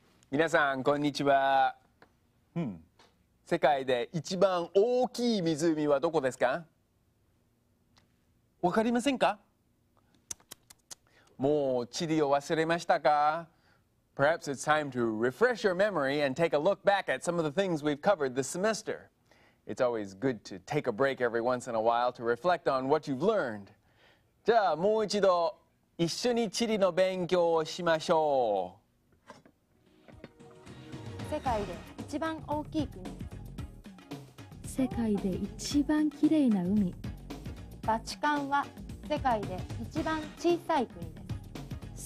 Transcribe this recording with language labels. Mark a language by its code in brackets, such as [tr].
[ja] 皆さんこんにちは。世界で一番大きい湖はどこですか。わかりませんか。もう地理を忘れましたか。 [en] Perhaps it's time to refresh your memory and take a look back at some of the things we've covered this semester. It's always good to take a break every once in a while to reflect on what you've learned. [ja] じゃあもう一度一緒に地理の勉強をしましょう。世界で一番大きい国。世界で一番きれいな海。バチカンは世界で一番小さい国です。